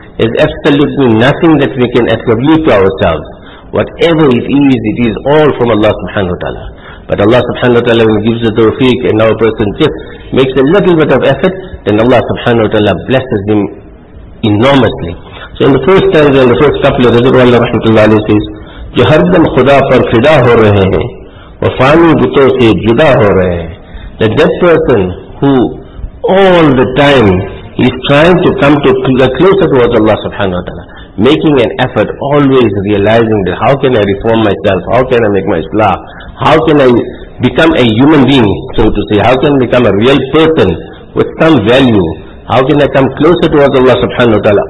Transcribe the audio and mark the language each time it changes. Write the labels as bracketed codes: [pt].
[en] There is absolutely nothing that we can attribute to ourselves. Whatever it is all from Allah subhanahu wa ta'ala. But Allah subhanahu wa ta'ala when gives the tawfiq and now a person just makes a little bit of effort, then Allah subhanahu wa ta'ala blesses him enormously. So in the first stanza, in the first couple of Rizwanullah rahmatullahi alayhi says, [ur] جو ہر دم خدا پر فدا ہو رہے ہیں [en] وہ فانی بتوں سے جدا ہو رہے ہیں. That that person who all the time is trying to come to the closer towards Allah subhanahu wa ta'ala, making an effort, always realizing that how can I reform myself, how can I make my Islah, how can I become a human being, so to say, how can I become a real person with some value, how can I come closer towards Allah subhanahu wa ta'ala.